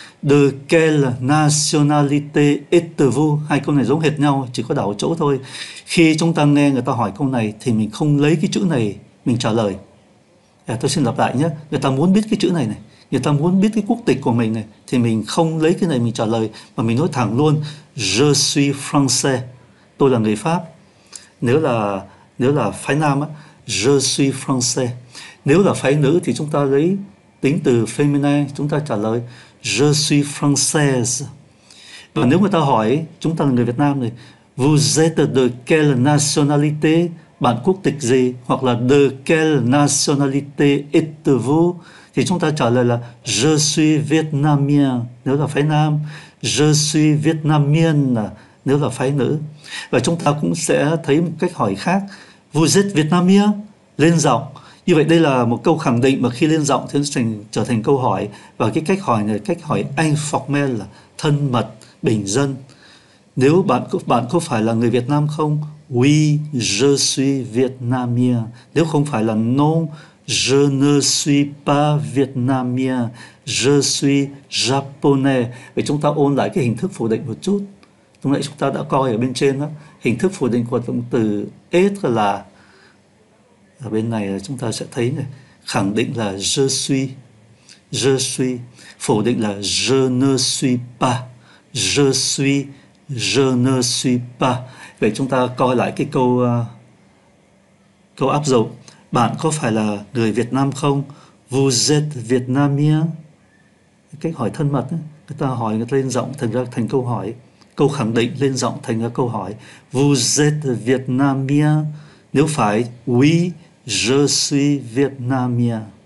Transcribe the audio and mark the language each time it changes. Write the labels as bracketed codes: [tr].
[fr] De quelle nationalité êtes-vous? [vi] Hai câu này giống hệt nhau, chỉ có đảo chỗ thôi. Khi chúng ta nghe người ta hỏi câu này thì mình không lấy cái chữ này mình trả lời. Tôi xin lặp lại nhé, người ta muốn biết cái chữ này này, người ta muốn biết cái quốc tịch của mình này, thì mình không lấy cái này mình trả lời, mà mình nói thẳng luôn, [fr] je suis français, [vi] tôi là người Pháp. Nếu là phái nam á, [fr] je suis français. [vi] Nếu là phái nữ thì chúng ta lấy tính từ feminine, chúng ta trả lời [fr] je suis française. [vi] Và nếu người ta hỏi chúng ta là người Việt Nam này, [fr] vous êtes de quelle nationalité, [vi] bạn quốc tịch gì? Hoặc là [fr] de quelle nationalité êtes-vous, [vi] thì chúng ta trả lời là [fr] je suis vietnamien, [vi] nếu là phái nam, [fr] je suis vietnamienne, [vi] nếu là phái nữ. Và chúng ta cũng sẽ thấy một cách hỏi khác, [fr] vous êtes vietnamien, [vi] lên giọng. Như vậy đây là một câu khẳng định, mà khi lên giọng thì nó trở thành câu hỏi. Và cái cách hỏi này, cách hỏi informel, là thân mật, bình dân. Nếu bạn có phải là người Việt Nam không? [fr] Oui, je suis vietnamien. [vi] Nếu không phải là [fr] non, je ne suis pas vietnamien, je suis japonais. [vi] Vậy chúng ta ôn lại cái hình thức phủ định một chút. Lúc nãy chúng ta đã coi ở bên trên đó, hình thức phủ định của động từ être là, ở bên này là chúng ta sẽ thấy này, khẳng định là [fr] je suis, je suis, [vi] phủ định là [fr] je ne suis pas, je suis, je ne suis pas. [vi] Vậy chúng ta coi lại cái câu câu áp dụng. Bạn có phải là người Việt Nam không? [fr] Vous êtes vietnamien. [vi] Cách hỏi thân mật, người ta hỏi, người ta lên giọng thành ra thành câu hỏi. Câu khẳng định lên giọng thành ra câu hỏi. [fr] Vous êtes vietnamien. [vi] Nếu phải, [fr] oui, je suis vietnamien.